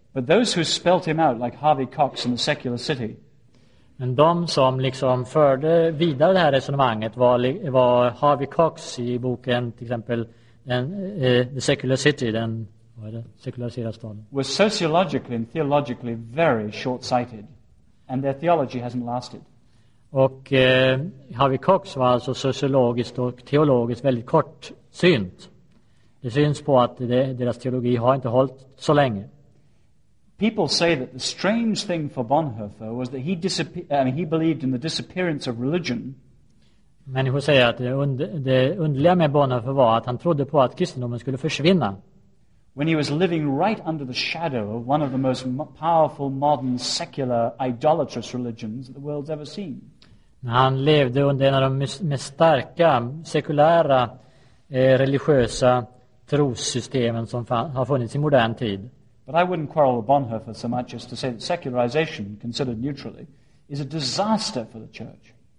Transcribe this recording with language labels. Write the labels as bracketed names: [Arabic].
[English] But those who spelled him out, like Harvey Cox in The Secular City. [Swedish] Men de som liksom förde vidare det här resonemanget var Harvey Cox i boken till exempel The Secular City, den sekulariserade staden. [English] Were sociologically and theologically very short-sighted, and their theology hasn't lasted. [Swedish] Och Harvey Cox var alltså sociologiskt och teologiskt väldigt kortsynt. Det syns på att deras teologi har inte hållit så länge. [English] People say that the strange thing for Bonhoeffer was that he believed in the disappearance of religion. [Swedish] Människor säger att det underliga med Bonhoeffer var att han trodde på att kristendomen skulle försvinna. [English] When he was living right under the shadow of one of the most powerful modern secular idolatrous religions that the world's ever seen. [Swedish] När han levde under en av de mest starka sekulära religiösa trossystemen som har funnits i modern tid. [English] But I wouldn't quarrel with Bonhoeffer so much as to say that secularization, considered neutrally, is a disaster for the church.